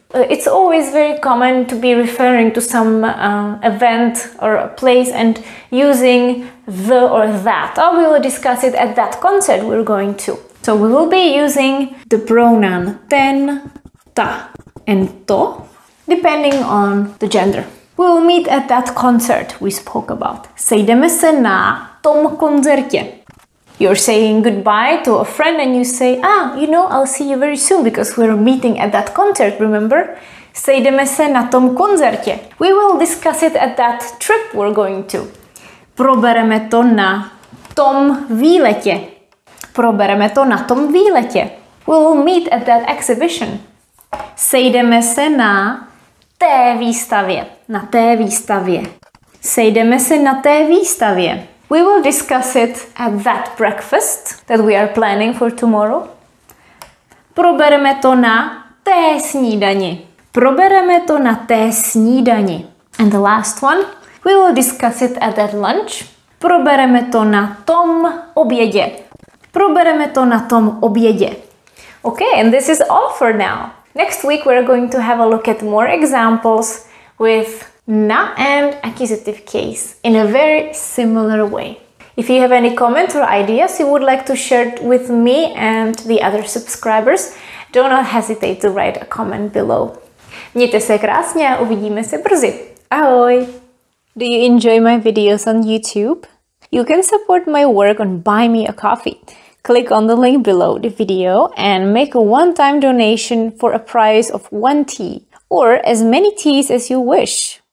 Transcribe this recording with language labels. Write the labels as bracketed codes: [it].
[en] It's always very common to be referring to some event or a place and using the or that. Or we will discuss it at that concert we're going to. So we will be using the pronoun ten, ta, and to, depending on the gender. We'll meet at that concert we spoke about. [cs] Sejdeme se na tom koncertě. [en] You're saying goodbye to a friend and you say, ah, you know, I'll see you very soon because we're meeting at that concert, remember? [cs] Sejdeme se na tom koncertě. [en] We will discuss it at that trip we're going to. [cs] Probereme to na tom výletě. Probereme to na tom výletě. [en] We'll meet at that exhibition. [cs] Sejdeme se na té výstavě. Na té výstavě. Sejdeme se na té výstavě. [en] We will discuss it at that breakfast that we are planning for tomorrow. [cs] Probereme to na té snídani. Probereme to na té snídani. [en] And the last one, we will discuss it at that lunch. [cs] Probereme to na tom obědě. Probereme to na tom obědě. [en] Okay, and this is all for now. Next week we are going to have a look at more examples with na and accusative case in a very similar way. If you have any comments or ideas you would like to share with me and the other subscribers, do not hesitate to write a comment below. [cs] Mějte se krásně a uvidíme se brzy. [en] Ahoj! Do you enjoy my videos on YouTube? You can support my work on Buy Me a Coffee. Click on the link below the video and make a one-time donation for a price of one tea or as many teas as you wish.